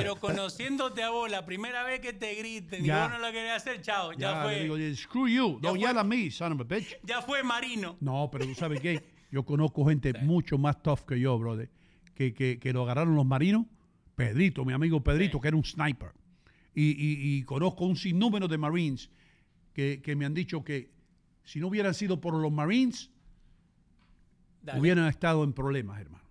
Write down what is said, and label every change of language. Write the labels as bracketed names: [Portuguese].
[Spanish] Pero conociéndote a vos, la primera vez que te griten, ya, y vos no lo querés hacer, chao, ya fue. [English] Digo, screw you, don't yell at me, son of a bitch. [Spanish] Ya fue marino. No, pero tú sabes qué, yo conozco gente mucho más tough que yo, brother, que lo agarraron los marinos, Pedrito, mi amigo Pedrito, que era un sniper. Y conozco un sinnúmero de Marines que me han dicho que si no hubieran sido por los Marines, dale, hubieran estado en problemas, hermano.